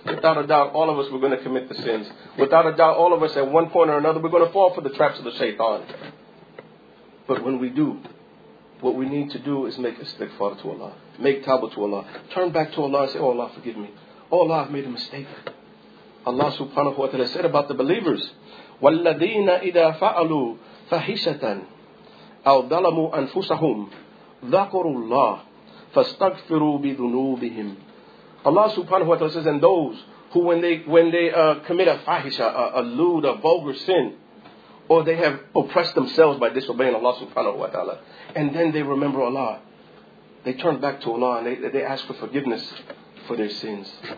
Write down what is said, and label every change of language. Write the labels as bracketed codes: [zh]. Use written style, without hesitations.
[en] Without a doubt, all of us, we're going to commit the sins. Without a doubt, all of us, at one point or another, we're going to fall for the traps of the shaitan. But when we do, what we need to do is make istighfar to Allah. Make tawbah to Allah. Turn back to Allah and say, oh Allah, forgive me. Oh Allah, I've made a mistake. Allah subhanahu wa ta'ala said about the believers, [ar] وَالَّذِينَ إِذَا فَعَلُوا فَحِشَةً أَوْ ظَلَمُوا أَنفُسَهُمْ ذَكُرُوا اللَّهِ فَاسْتَغْفِرُوا بِذُنُوبِهِمْ. [en] Allah subhanahu wa ta'ala says, and those who when they commit a fahisha, a lewd, a vulgar sin, or they have oppressed themselves by disobeying Allah subhanahu wa ta'ala, and then they remember Allah, they turn back to Allah and they ask for forgiveness for their sins.